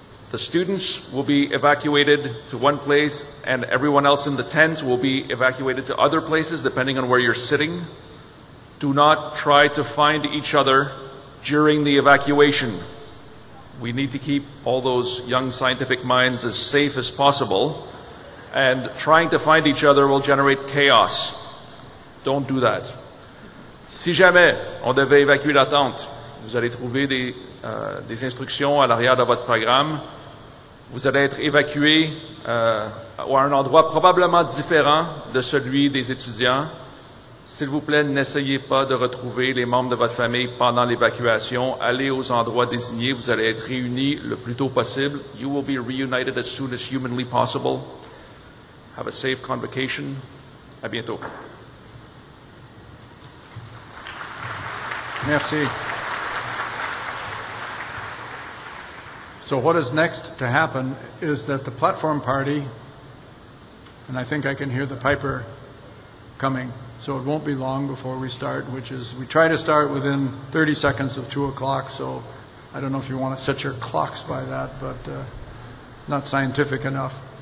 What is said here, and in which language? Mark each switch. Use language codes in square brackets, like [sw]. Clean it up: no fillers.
[en] The students will be evacuated to one place and everyone else in the tent will be evacuated to other places depending on where you're sitting. Do not try to find each other during the evacuation. We need to keep all those young scientific minds as safe as possible. And trying to find each other will generate chaos. Don't do that. [fr] Si jamais on devait évacuer la tente, vous allez trouver des instructions à l'arrière de votre programme. Vous allez être évacué à un endroit probablement différent de celui des étudiants. S'il vous plaît, n'essayez pas de retrouver les membres de votre famille pendant l'évacuation. Allez aux endroits désignés. Vous allez être réunis le plus tôt possible. [en] You will be reunited as soon as humanly possible. Have a safe convocation. [fr] À bientôt. Merci. [en] So what is next to happen is that the platform party, and I think I can hear the piper coming, so it won't be long before we start, which is we try to start within 30 seconds of 2 o'clock, so I don't know if you want to set your clocks by that, but not scientific enough.